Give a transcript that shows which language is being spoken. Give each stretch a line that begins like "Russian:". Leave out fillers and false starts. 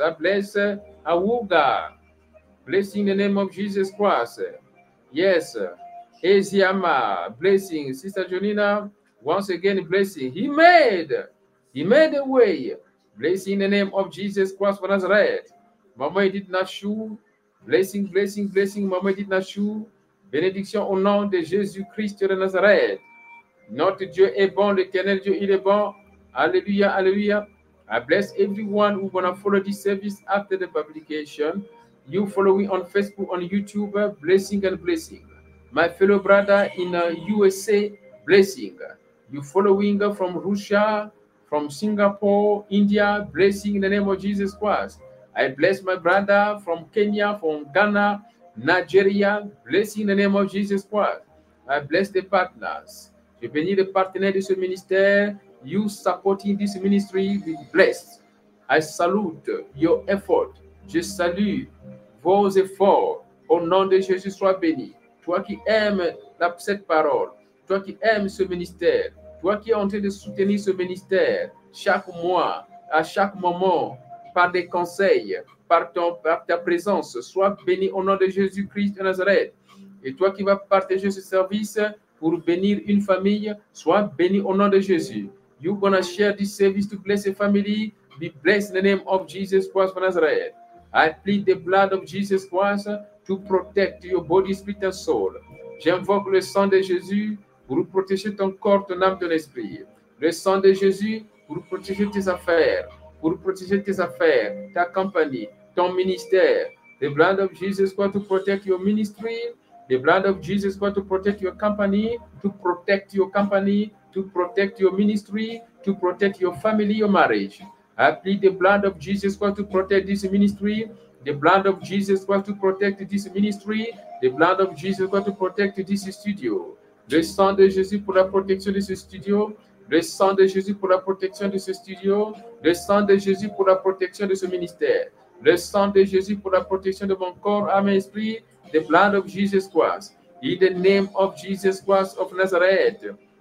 English: I bless Awuga. Blessing in the name of Jesus Christ. Yes. Eziama. Blessing. Sister Jonina, once again, blessing. He made a way. Blessing in the name of Jesus Christ for Nazareth. Mama Edith Nashu. Blessing, blessing, blessing. Mama Edith Nashu.
French: Bénédiction au nom de Jésus-Christ de Nazareth. Notre Dieu est bon, l'éternel Dieu, il est bon. Alléluia, alléluia.
English: I bless everyone who gonna follow this service after the publication. You following on Facebook, on YouTube, blessing and blessing. My fellow brother in USA, blessing. You following from Russia, from Singapore, India, blessing in the name of Jesus Christ. I bless my brother from Kenya, from Ghana, Nigeria, blessing in the name of Jesus Christ. I bless the partners.
French: Je bénis les partenaires de ce ministère.
English: You supporting this ministry with blessed. I salute your effort.
French: Je salue vos efforts. Au nom de Jésus, sois béni. Toi qui aimes cette parole, toi qui aimes ce ministère, toi qui es en train de soutenir ce ministère chaque mois, à chaque moment, par des conseils, par ta présence, sois béni au nom de Jésus-Christ de Nazareth. Et toi qui vas partager ce service pour bénir une famille, sois béni au nom de Jésus.
English: You gonna share this service to bless a family. Be blessed in the name of Jesus Christ for Nazareth. I plead the blood of Jesus Christ to protect your body, spirit and soul.
French: J'invoque le sang de Jésus pour protéger ton corps, ton âme, ton esprit. Le sang de Jésus pour protéger tes affaires, pour protéger tes affaires, ta compagnie, ton ministère.
English: The blood of Jesus Christ to protect your ministry. The blood of Jesus Christ to protect your company, to protect your company, to protect your ministry, to protect your family, your marriage. I plead the blood of Jesus Christ to protect this ministry. The blood of Jesus Christ to protect this ministry. The blood of Jesus Christ to protect this studio.
French: Le sang de Jésus pour la protection de ce studio. Le sang de Jésus pour la protection de ce studio. Le sang de Jésus pour la protection de ce ministère. Le sang de Jésus pour la protection de mon corps, âme et esprit.
English: The blood of Jesus Christ. In the name of Jesus Christ of Nazareth.